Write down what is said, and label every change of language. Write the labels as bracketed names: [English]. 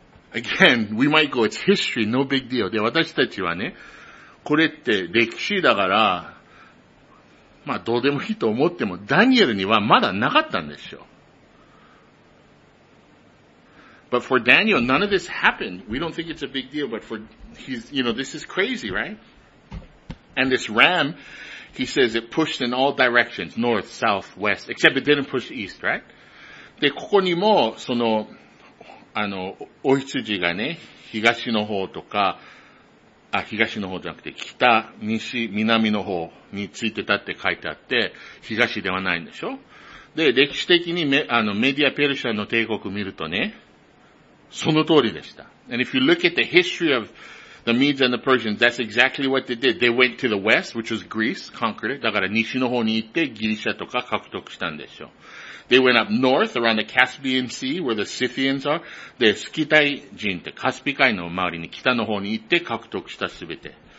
[English] Again, we might go, it's history, no big deal. [Japanese] で、私たちはね、これって歴史だから、まあどうでもいいと思っても、ダニエルにはまだなかったんでしょう。 [English] But for Daniel, none of this happened. We don't think it's a big deal, but for, he's, you know, this is crazy, right? And this ram, he says it pushed in all directions, north, south, west, except it didn't push east, right? [Japanese] で、ここにも、その、あの、お羊がね、東の方とか、あ、東の方じゃなくて、北、西、南の方についてたって書いてあって、東ではないんでしょ？で、歴史的にあの、メディアペルシャの帝国見るとね、その通りでした。 [English] And if you look at the history of the Medes and the Persians, that's exactly what they did. They went to the west, which was Greece, conquered it. [Japanese] だから西の方に行ってギリシャとか獲得したんでしょ。 [English] They went up north around the Caspian Sea where the Scythians are. [Japanese] で、スキタイ人ってカスピ海の周りに北の方に行って獲得したすべて。